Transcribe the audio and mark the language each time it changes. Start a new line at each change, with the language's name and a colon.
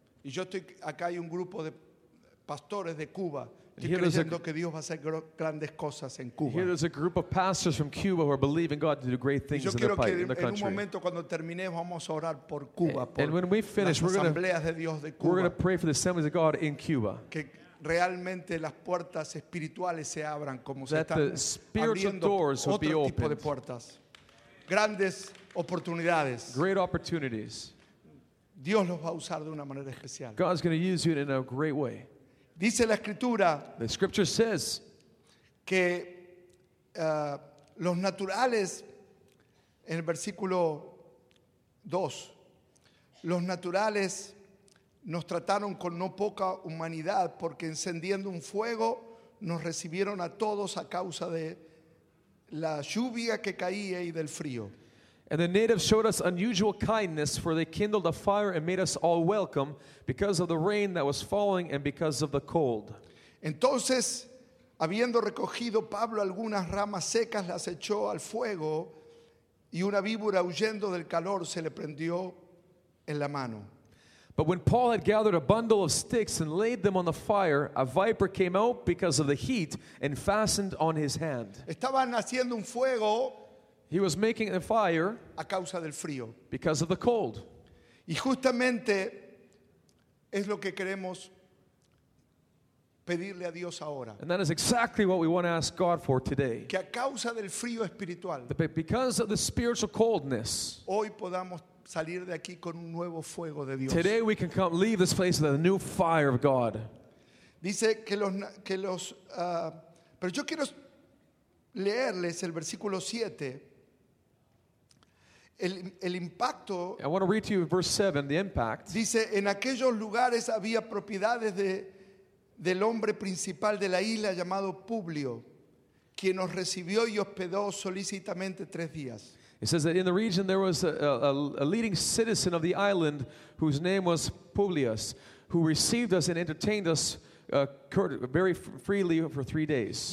Spanish: Y yo estoy, acá hay un grupo de pastores de Cuba creyendo que Dios va a hacer grandes cosas en Cuba.
English: Here there's a group of pastors from Cuba who are believing God to do great things in the country.
Spanish: En un momento cuando termine vamos a orar por Cuba.
English: And when we finish, we're going to pray for the assemblies of God in Cuba.
Spanish: Que realmente las puertas espirituales se abran como se están abriendo otro tipo de puertas. Grandes oportunidades.
English: Great opportunities.
Spanish: Dios los va a usar de una manera especial.
English: God's going to use you in a great way.
Spanish: Dice la escritura.
English: The scripture says
Spanish: que los naturales, en el versículo 2, los naturales nos trataron con no poca humanidad porque encendiendo un fuego nos recibieron a todos a causa de la lluvia que caía y del frío.
English: And the natives showed us unusual kindness, for they kindled a fire and made us all welcome because of the rain that was falling and because of the cold.
Spanish: Entonces, habiendo recogido Pablo algunas ramas secas, las echó al fuego y una víbora huyendo del calor se le prendió en la mano.
English: But when Paul had gathered a bundle of sticks and laid them on the fire, a viper came out because of the heat and fastened on his hand.
Spanish: Estaban haciendo un fuego.
English: He was making a fire
Spanish: a causa del frío.
English: Because of the cold.
Spanish: Y justamente es lo que queremos pedirle a Dios ahora.
English: And that is exactly what we want to ask God for today.
Spanish: Que a causa del frío espiritual,
English: because of the spiritual coldness,
Spanish: hoy podamos salir de aquí con un nuevo fuego de Dios.
English: Today we can come leave this place with a new fire of God.
Spanish: Dice que los pero yo quiero leerles el versículo 7. El impacto.
English: I want to read to you verse 7, the impact.
Spanish: Dice, en aquellos lugares había propiedades del hombre principal de la isla llamado Publio, quien nos recibió y hospedó solícitamente 3 días.
English: It says that in the region there was a leading citizen of the island whose name was Publius, who received us and entertained us very freely for 3 days.